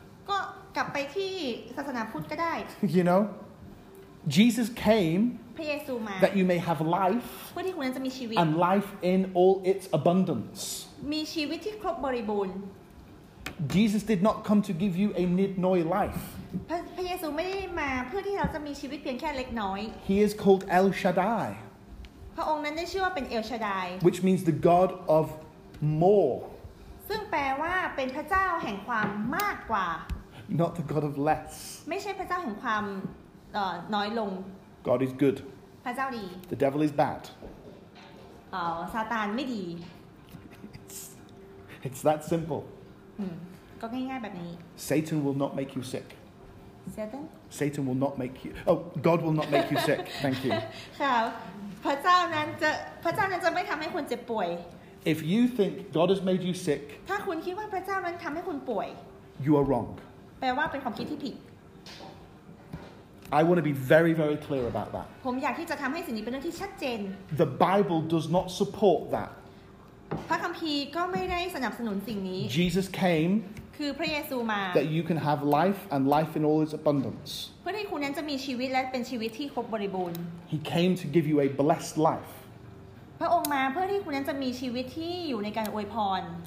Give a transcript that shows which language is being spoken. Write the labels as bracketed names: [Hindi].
[Thai] ก็กลับไปที่ศาสนาพุทธก็ได้ [English] You know, Jesus came. [Thai] พระเยซูมา [English] That you may have life. [Thai] เพื่อที่คุณนั้นจะมีชีวิต [English] And life in all its abundance. [Thai] มีชีวิตที่ครบบริบูรณ์ [English] Jesus did not come to give you a nidnoy life. [Thai] พระเยซูไม่ได้มาเพื่อที่เราจะมีชีวิตเพียงแค่เล็กน้อย [English] He is called El Shaddai. [Thai] พระองค์นั้นได้ชื่อว่าเป็น El Shaddai. [English] Which means the God of more. [Thai] ซึ่งแปลว่าเป็นพระเจ้าแห่งความมากกว่า [English] Not the God of less. [Thai] ไม่ใช่พระเจ้าแห่งความน้อยลง [English] God is good. [Thai] พระเจ้าดี [English] The devil is bad. [Thai] ซาตานไม่ดี [English] It's that simple. [Thai] ก็ง่ายๆแบบนี้ [English] Satan will not make you sick Satan Satan will not make you Oh God will not make you sick Thank you [Thai] ค่ะพระเจ้านั้นจะไม่ทำให้คุณเจ็บป่วย [English] If you think God has made you sick [Thai] ถ้าคุณคิดว่าพระเจ้านั้นทำให้คุณป่วย [English] You are wrong [Thai] แปลว่าเป็นความคิดที่ผิด [English] I want to be very very clear about that [Thai] ผมอยากที่จะทำให้สิ่งนี้เป็นเรื่องที่ชัดเจน [English] The Bible does not support that [Thai] พระคัมภีร์ก็ไม่ได้สนับสนุนสิ่งนี้ [English] Jesus came [Thai] คือพระเยซูมา [English] that you can have life and life in all its abundance [Thai] เพื่อให้คุณนั้นจะมีชีวิตและเป็นชีวิตที่ครบบริบูรณ์ [English] He came to give you a blessed life [Thai] พระองค์มาเพื่อที่คุณนั้นจะมีชีวิตที่อยู่ในการอวยพร